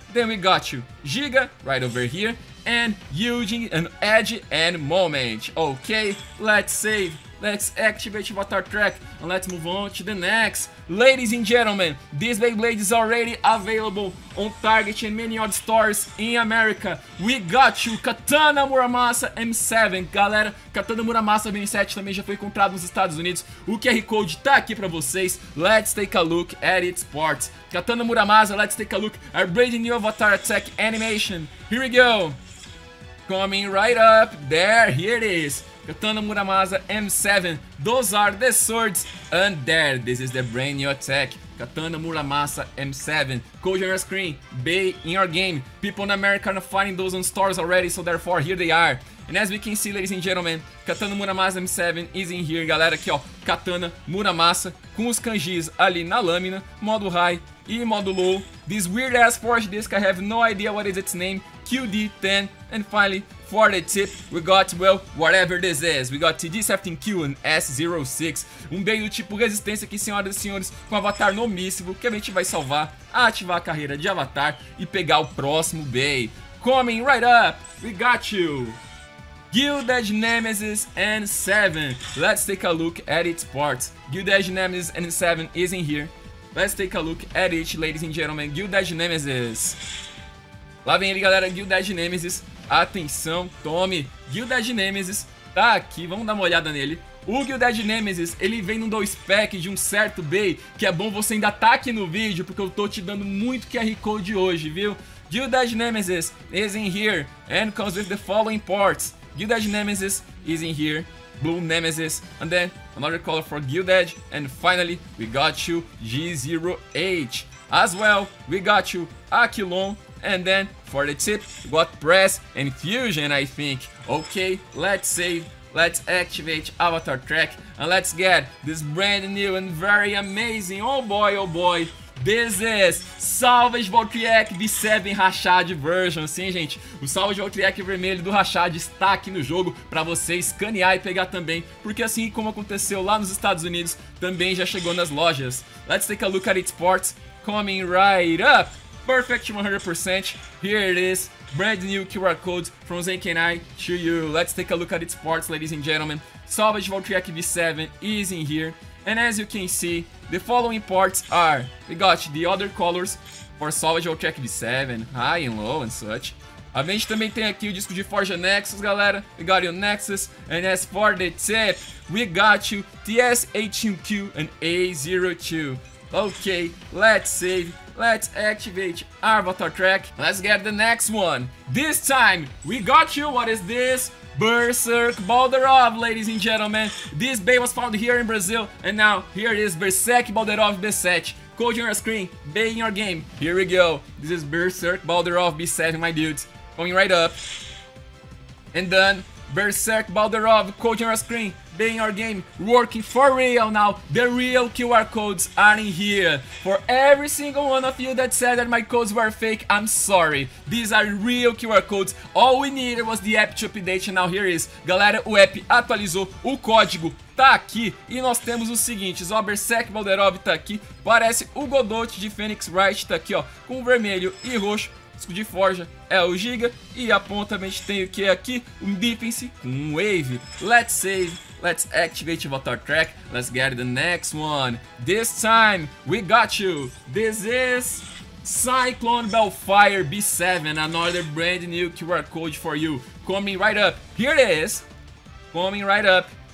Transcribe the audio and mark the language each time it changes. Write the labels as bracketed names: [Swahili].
[English] Then we got you Giga right over here, and using an edge and moment. Okay, let's save, let's activate Valtryek, and let's move on to the next. Ladies and gentlemen, this Beyblade is already available on Target and many other stores in America. We got you Katana Muramasa M7. [Portuguese] Galera, Katana Muramasa M7 também já foi encontrado nos Estados Unidos. O QR Code tá aqui pra vocês. [English] Let's take a look at its parts. Katana Muramasa, let's take a look at our brand new Avatar Attack animation. Here we go. Coming right up. There, here it is. Katana Muramasa M7. Those are the swords. And there, this is the brand new attack. Katana Muramasa M7. Code on your screen. Bay in your game. People in America are finding those on stores already, so therefore, here they are. And as we can see, ladies and gentlemen, Katana Muramasa M7 is in here, [Portuguese] galera. Aqui, ó. Katana Muramasa com os kanjis ali na lâmina. Modo high e modo low. [English] This weird ass forge disc, I have no idea what is its name. QD10. And finally, for the tip, we got, well, whatever this is. We got TD17Q and S06. [Portuguese] Bem do tipo resistência aqui, senhoras e senhores, com avatar no míssil, que a gente vai salvar, ativar a carreira de avatar e pegar o próximo bay. [English] Coming right up, we got you GILDED NEMESIS N7. Let's take a look at its parts. GILDED NEMESIS N7 is in here. Let's take a look at it, ladies and gentlemen. [Portuguese] GILDED NEMESIS. Lá vem ele, galera, GILDED NEMESIS. Atenção, tome. GILDED NEMESIS tá aqui, vamos dar uma olhada nele. O GILDED NEMESIS, ele vem num 2-pack de um certo bay, que é bom você ainda tá aqui no vídeo, porque eu tô te dando muito QR Code hoje, viu? [English] GILDED NEMESIS is in here, and comes with the following parts. GILDED NEMESIS is in here, Blue NEMESIS, and then another color for GILDED, and finally, we got you G08. As well, we got you Aquilon. And then, for the tip, got Press and Fusion, I think. Okay, let's save, let's activate Valtryek, and let's get this brand new and very amazing, oh boy, this is Salvage Valtryek V7 Rashad version. [Portuguese] Sim, gente, o Salvage Valtryek vermelho do Rashad está aqui no jogo para você escanear e pegar também, porque assim como aconteceu lá nos Estados Unidos, também já chegou nas lojas. [English] Let's take a look at its parts, coming right up. Perfect 100%, here it is, brand new QR code from Zenki and I to you. Let's take a look at its parts, ladies and gentlemen. Salvage Valtryek V7 is in here, and as you can see, the following parts are, we got the other colors for Salvage Valtryek V7, high and low and such. [Portuguese] A gente também tem aqui o disco de Forja Nexus, galera. [English] We got your Nexus. And as for the tip, we got you TS18Q and A02. Okay, let's save, let's activate our Valtryek. Let's get the next one. This time, we got you, what is this? BERSERK BALDEROV, ladies and gentlemen. This bay was found here in Brazil, and now, here it is, BERSERK BALDEROV B7. Code on your screen, bay in your game. Here we go. This is Berserk, Balderov, B7, my dudes. Going right up. And done. Berserk, Balderov, code on your screen, bay in your game. Working for real now. The real QR codes are in here. For every single one of you that said that my codes were fake, I'm sorry. These are real QR codes. All we needed was the app to update. And now here is. [Portuguese] Galera, o app atualizou o código. Tá aqui, e nós temos o seguinte, ó, Berserk Balderov tá aqui, parece o Godot de Phoenix Wright, tá aqui, ó, com vermelho e roxo, disco de forja, é o Giga, e a ponta a gente tem o que aqui? Um Defense, um Wave, [English] let's save, let's activate Avatar Track, let's get the next one, this time, we got you, this is CYCLONE BELFYRE B7, another brand new QR code for you, coming right up, here it is, coming right up.